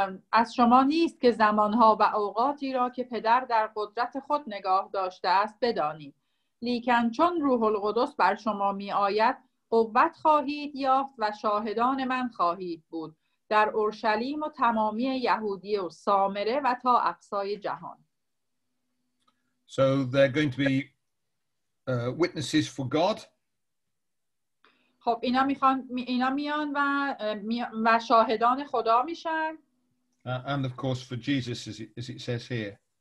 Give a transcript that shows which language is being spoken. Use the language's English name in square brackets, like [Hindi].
[Persian] از شما نیست که زمانها و اوقاتی را که پدر در قدرت خود نگاه داشته است بدانید، لیکن چون روح القدس بر شما می آید قوت خواهید یافت و شاهدان من خواهید بود در اورشلیم و تمامی یهودیه و سامره و تا اقصای جهان. [English] So they're going to be witnesses for God. [Persian] خب اینا میان و شاهدان خدا میشن. [English] And of course for Jesus, as it says here.